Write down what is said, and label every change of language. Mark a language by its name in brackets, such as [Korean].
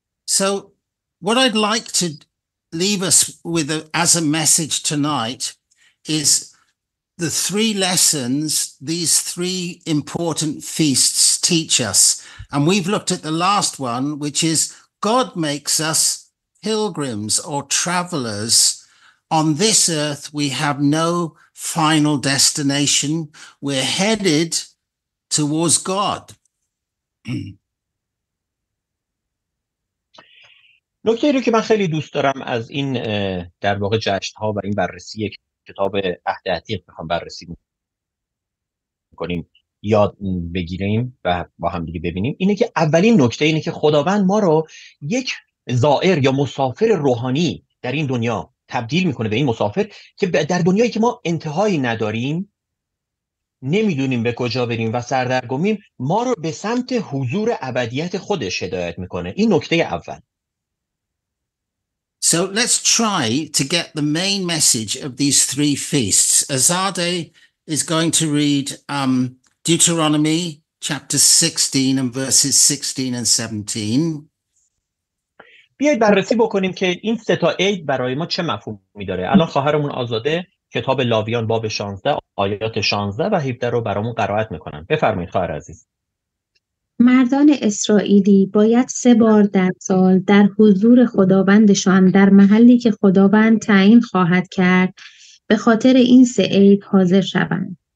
[English] So what I'd like to leave us with as a message tonight is the three lessons these three important feasts teach us. And we've looked at the last one, which is God makes us pilgrims or travelers. On this earth, we have no final destination. We're headed towards God. [Persian] نکته ای رو که من خیلی دوست دارم از این در واقع جشن ها و این بررسی کتاب عهد عتیق بخوام بررسی کنیم یاد بگیریم و با هم دیگه ببینیم اینه که اولین نکته اینه که خداوند ما رو یک زائر یا مسافر روحانی در این دنیا تبدیل میکنه به این مسافر که در دنیایی که ما انتهایی نداریم نمیدونیم به کجا بریم و سردرگمیم ما رو به سمت حضور ابدیت خودش هدایت میکنه. این نکته اول. [English] So let's try to get the main message of these three feasts. Azadeh is going to read Deuteronomy chapter 16 and verses 16 and 17. [Persian] بیایید بررسی بکنیم که این سه تا عید برای ما چه مفهومی داره. الان خواهرمون آزاده کتاب لاویان باب 16 آیات 16 و 17 رو برامون قرائت میکنن. بفرمایید خواهر عزیز. مردان اسرائیلی باید سه بار در سال در حضور خداوندشان در محلی که خداوند تعیین خواهد کرد به خاطر این سه عید حاضر شوند.